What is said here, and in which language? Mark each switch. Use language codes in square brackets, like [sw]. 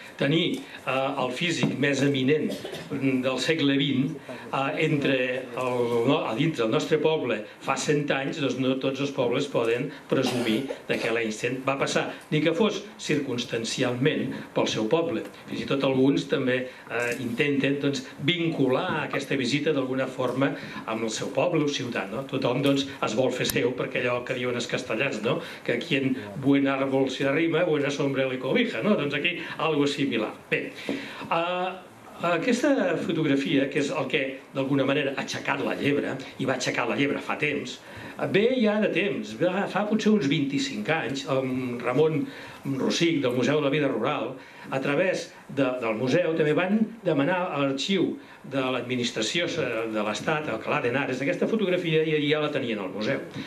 [ca] Tenir el físic més eminent del segle XX dintre el nostre poble fa 100 anys, doncs no tots els pobles poden presumir que l'Einstein va passar, ni que fos circumstancialment pel seu poble. Fins i tot alguns també intenten doncs, vincular aquesta visita d'alguna forma amb el seu poble o ciutat. No? Tothom doncs, es vol fer seu perquè allò que diuen els castellans, no? Que aquí [es] en buen árbol se arrima, buena sombra le cobija, no? [ca] Doncs aquí [es] algo similar. [ca] Bé, aquesta fotografia, que és el que d'alguna manera ha aixecat la llebre, i va aixecar la llebre fa temps, ve ja de temps, fa potser uns 25 anys, amb Ramon Rossich del Museu de la Vida Rural, a través del museu també van demanar a l'arxiu de l'administració de l'Estat, a Alcalá de Henares, aquesta fotografia i ja la tenien al museu.